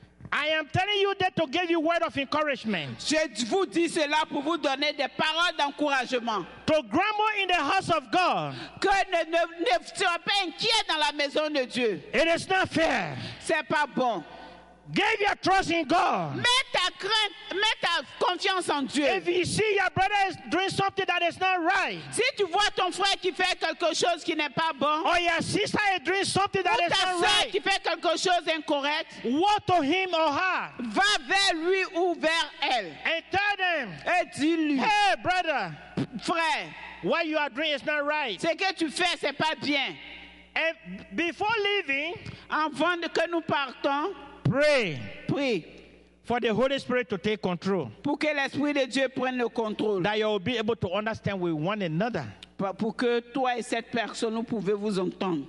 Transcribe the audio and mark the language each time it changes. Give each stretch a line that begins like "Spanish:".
English: I am telling you that to give you word of encouragement.
French: Je vous dis cela pour vous donner des paroles d'encouragement.
English: To grandma in the house of God.
French: Que ne sois pas inquiet dans la maison de Dieu.
English: It is not fair.
French: C'est pas bon.
English: Give your trust in God.
French: Mets ta confiance en Dieu.
English: If you see your brother is doing something that is not right.
French: Si tu vois ton frère qui fait quelque chose qui n'est pas bon.
English: Or your sister is doing something that is not right.
French: Ou ta sœur qui fait quelque chose incorrect.
English: Walk to him or her.
French: Va vers lui ou vers elle.
English: And tell them.
French: Et dis-lui.
English: Hey brother.
French: Frère.
English: What you are doing is not right.
French: Ce que tu fais c'est pas bien.
English: And before leaving.
French: Avant que nous partons.
English: Pray. Pray. For the Holy Spirit to take control.
French: Pour que l'Esprit de Dieu prenne le contrôle.
English: That you will be able to understand with one another.
French: Pour que toi et cette personne, vous pouvez vous entendre.